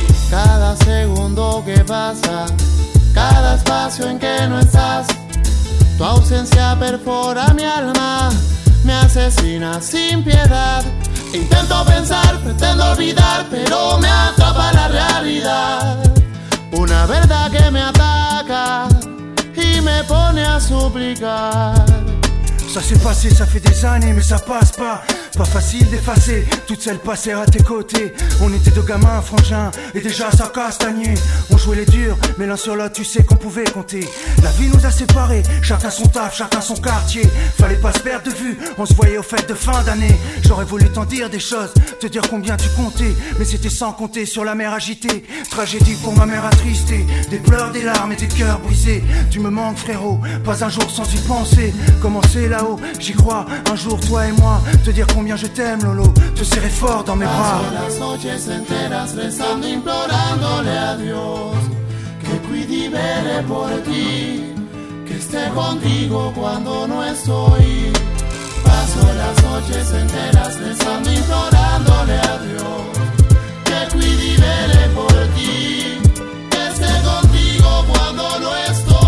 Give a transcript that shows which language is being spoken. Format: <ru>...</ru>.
<es>Cada segundo que pasa, cada espacio en que no estás, tu ausencia perfora mi alma, me asesina sin piedad. Intento pensar, pretendo olvidar, pero me atrapa la realidad. Una verdad que me ataca y me pone a suplicar.</es> <fr>Ça s'est passé, ça fait des années, mais ça passe pas. Pas facile d'effacer toute celle passée à tes côtés. On était deux gamins, frangins, et déjà ça castagnait. On jouait les durs, mais l'un sur l'autre, tu sais qu'on pouvait compter. La vie nous a séparés, chacun son taf, chacun son quartier. Fallait pas se perdre de vue, on se voyait aux fêtes de fin d'année. J'aurais voulu t'en dire des choses, te dire combien tu comptais, mais c'était sans compter sur la mer agitée. Tragédie pour ma mère attristée, des pleurs, des larmes et des cœurs brisés. Tu me manques, frérot, pas un jour sans y penser. Comment c'est là-haut, j'y crois, un jour, toi et moi, te dire combien je t'aime, Lolo, te serrer fort dans mes bras.</fr> <es>Paso las noches enteras rezando, implorándole a Dios que cuide y vele por ti, que esté contigo cuando no estoy. Paso las noches enteras rezando, implorándole a Dios que cuide y vele por ti, que esté contigo cuando no estoy.</es>